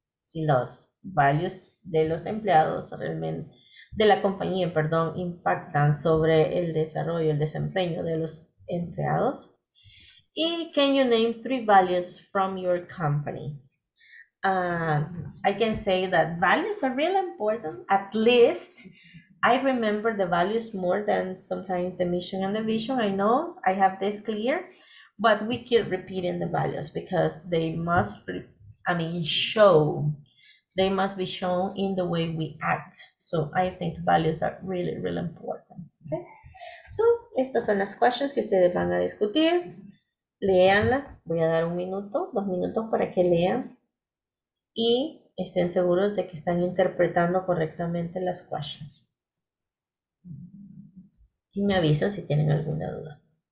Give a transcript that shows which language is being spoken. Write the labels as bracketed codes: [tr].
[es] Si los [en] values [es] de los empleados realmente, de la compañía, perdón, impactan sobre el desarrollo, el desempeño de los empleados. Y [en] can you name three values from your company? I can say that values are really important. At least I remember the values more than sometimes the mission and the vision. I know I have this clear, but we keep repeating the values because they must, show. They must be shown in the way we act. So I think values are really, really important. Okay? So [es] estas son las [en] questions [es] que ustedes van a discutir. Leanlas. Voy a dar un minuto, dos minutos para que lean. Y estén seguros de que están interpretando correctamente las [en] questions. [es] Y me avisan si tienen alguna duda.